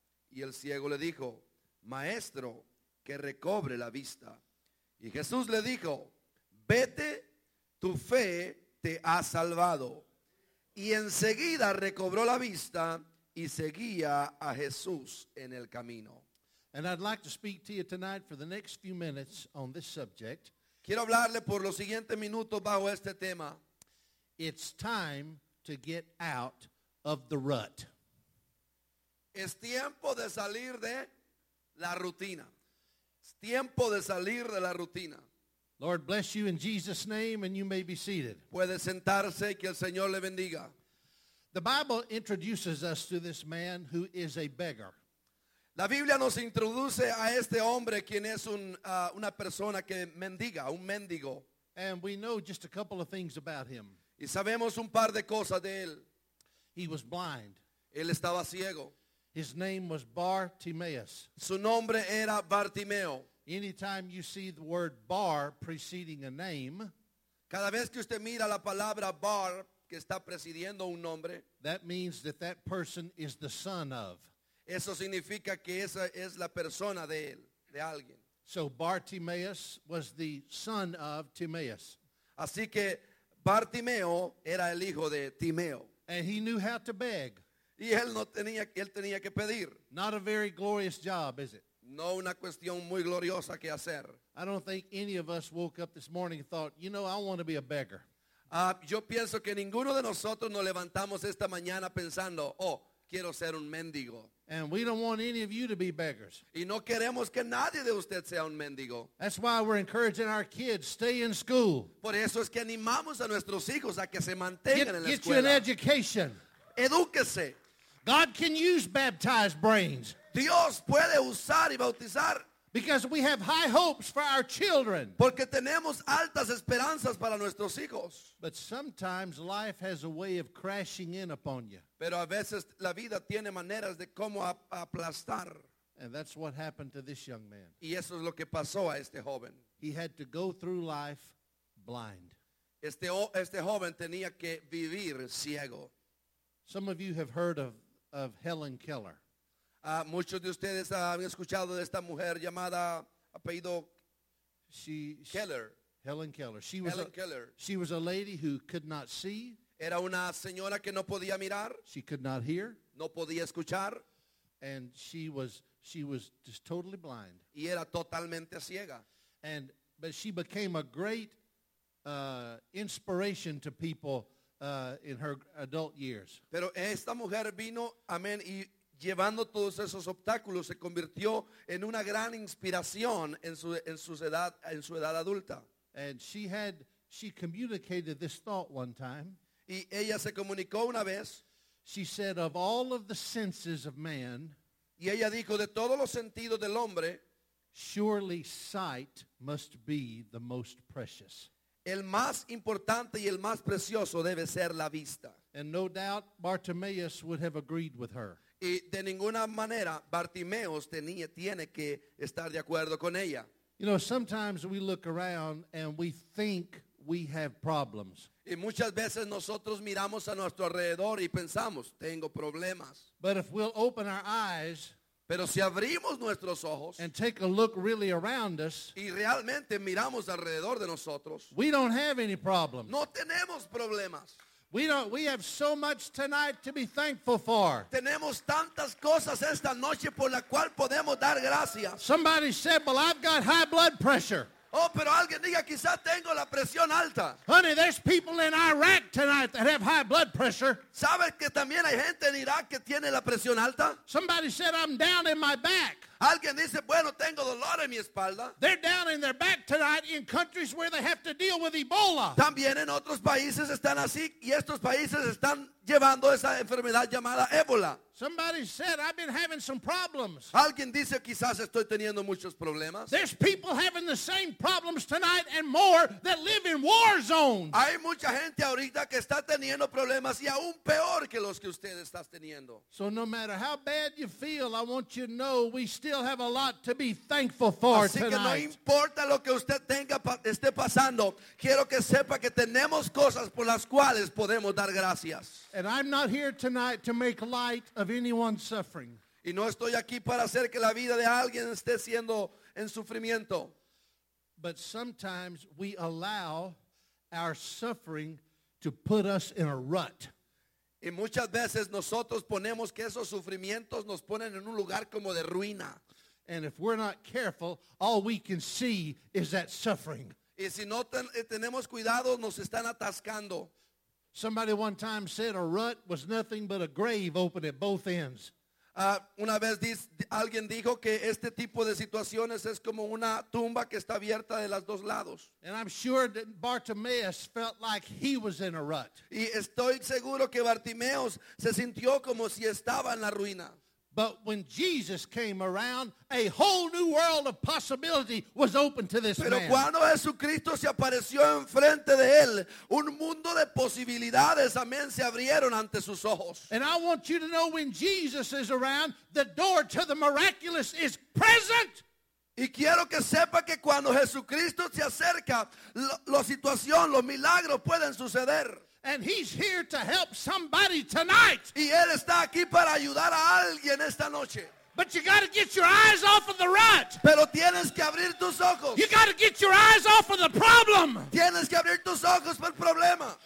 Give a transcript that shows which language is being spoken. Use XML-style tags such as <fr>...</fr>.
<es>Y el ciego le dijo, maestro, que recobre la vista. Y Jesús le dijo, vete, tu fe te ha salvado. Y enseguida recobró la vista y seguía a Jesús en el camino.</es> <en>And I'd like to speak to you tonight for the next few minutes on this subject.</en> <es>Quiero hablarle por los siguientes minutos bajo este tema.</es> <en>It's time to get out of the rut.</en> <es>Es tiempo de salir de la rutina. Es tiempo de salir de la rutina.</es> <en>Lord bless you in Jesus' name, and you may be seated.</en> <es>Puede sentarse, que el Señor le bendiga.</es> <en>The Bible introduces us to this man who is a beggar.</en> <es>La Biblia nos introduce a este hombre quien es una persona que mendiga, un mendigo.</es> <en>And we know just a couple of things about him.</en> <es>Y sabemos un par de cosas de él.</es> <en>He was blind.</en> <es>Él estaba ciego.</es> <en>His name was Bartimaeus.</en> <es>Su nombre era Bartimeo.</es> <en>Anytime you see the word bar preceding a name,</en> <es>cada vez que usted mira la palabra bar que está precediendo un nombre,</es> <en>that means that that person is the son of.</en> <es>Eso significa que esa es la persona de él, de alguien.</es> <en>So Bartimaeus was the son of Timaeus.</en> <es>Así que Bartimeo era el hijo de Timeo.</es> <en>And he knew how to beg.</en> <es>Y él tenía que pedir.</es> <en>Not a very glorious job, is it?</en> <es>No una cuestión muy gloriosa que hacer.</es> <en>I don't think any of us woke up this morning and thought, you know, I want to be a beggar.</en> <es>Yo pienso que ninguno de nosotros nos levantamos esta mañana pensando, oh, quiero ser un mendigo.</es> <en>And we don't want any of you to be beggars.</en> <es>Y no queremos que nadie de usted sea un mendigo.</es> <en>That's why we're encouraging our kids, stay in school.</en> <es>Por eso es que animamos a nuestros hijos a que se mantengan en la escuela.</es> <en>Get you an education.</en> <es>Edúquese.</es> <en>God can use baptized brains.</en> <es>Dios puede usar y bautizar.</es> <en>Because we have high hopes for our children.</en> <es>Porque tenemos altas esperanzas para nuestros hijos.</es> <en>But sometimes life has a way of crashing in upon you.</en> <es>Pero a veces la vida tiene maneras de cómo aplastar.</es> <en>And that's what happened to this young man.</en> <es>Y eso es lo que pasó a este joven.</es> <en>He had to go through life blind.</en> <es>Este joven tenía que vivir ciego.</es> <en>Some of you have heard of Helen Keller.</en> <es>Muchos de ustedes han escuchado de esta mujer llamada apellido</es> <en>she, Keller. Helen Keller. Helen Keller. She was a lady who could not see.</en> <es>Era una señora que no podía mirar.</es> <en>She could not hear.</en> <es>No podía escuchar.</es> <en>And she was just totally blind.</en> <es>Y era totalmente ciega.</es> <en>But she became a great inspiration to people in her adult years.</en> <es>Pero esta mujer vino, amén, y llevando todos esos obstáculos, se convirtió en una gran inspiración en su edad adulta.</es> <en>And she communicated this thought one time.</en> <es>Y ella se comunicó una vez.</es> <en>She said, of all of the senses of man,</en> <es>y ella dijo, de todos los sentidos del hombre,</es> <en>surely sight must be the most precious.</en> <es>El más importante y el más precioso debe ser la vista.</es> <en>And no doubt Bartimaeus would have agreed with her.</en> <es>Y de ninguna manera Bartimaeus tiene que estar de acuerdo con ella.</es> <en>You know, sometimes we look around and we think we have problems.</en> <es>Y muchas veces nosotros miramos a nuestro alrededor y pensamos, tengo problemas.</es> <en>But if we'll open our eyes,</en> <es>pero si abrimos nuestros ojos,</es> <en>and take a look really around us,</en> <es>y realmente miramos alrededor de nosotros,</es> <en>we don't have any problems.</en> <es>No tenemos problemas.</es> <en>We have so much tonight to be thankful for.</en> <es>Tenemos tantas cosas esta noche por la cual podemos dar gracias.</es> <en>Somebody said, well, I've got high blood pressure.</en> <es>Oh, pero alguien diga, quizá tengo la presión alta.</es> <en>Honey, there's people in Iraq tonight that have high blood pressure.</en> <es>¿Sabes que también hay gente en Irak que tiene la presión alta?</es> <en>Somebody said, I'm down in my back.</en> <es>Alguien dice, bueno, tengo dolor en mi espalda.</es> <en>They're down in their back tonight in countries where they have to deal with Ebola.</en> <es>También en otros países están así, y estos países están llevando esa enfermedad llamada Ebola.</es> <en>Somebody said, I've been having some problems.</en> <es>Alguien dice, quizás estoy teniendo muchos problemas.</es> <en>There's people having the same problems tonight and more that live in war zones.</en> <es>Hay mucha gente ahorita que está teniendo problemas y aún peor que los que usted está teniendo.</es> <en>So no matter how bad you feel, I want you to know we still have a lot to be thankful for tonight.</en> <es>Así que no importa lo que usted tenga, esté pasando, quiero que sepa que tenemos cosas por las cuales podemos dar gracias.</es> <en>And I'm not here tonight to make light of anyone's suffering.</en> <es>Y no estoy aquí para hacer que la vida de alguien esté siendo en sufrimiento.</es> <en>But sometimes we allow our suffering to put us in a rut.</en> <es>Y muchas veces nosotros ponemos que esos sufrimientos nos ponen en un lugar como de ruina.</es> <en>And if we're not careful, all we can see is that suffering.</en> <es>Y si no tenemos cuidado, nos están atascando.</es> <en>Somebody one time said a rut was nothing but a grave open at both ends.</en> <es>Una vez alguien dijo que este tipo de situaciones es como una tumba que está abierta de los dos lados.</es> <en>And I'm sure that Bartimaeus felt like he was in a rut.</en> <es>Y estoy seguro que Bartimaeus se sintió como si estaba en la ruina.</es> <en>But when Jesus came around, a whole new world of possibility was open to this</en> <es>pero</es> <en>man.</en> <es>Pero cuando Jesucristo se apareció enfrente de él, un mundo de posibilidades, amén, se abrieron ante sus ojos.</es> <en>And I want you to know when Jesus is around, the door to the miraculous is present.</en> <es>Y quiero que sepa que cuando Jesucristo se acerca, la situación, los milagros pueden suceder.</es> <en>And he's here to help somebody tonight.</en> <es>Y él está aquí para ayudar a alguien esta noche.</es> <en>But you got to get your eyes off of the rut.</en> <es>Pero tienes que abrir tus ojos.</es> <en>You got to get your eyes off of the problem.</en> <es>Tienes que abrir tus ojos por el problema.</es>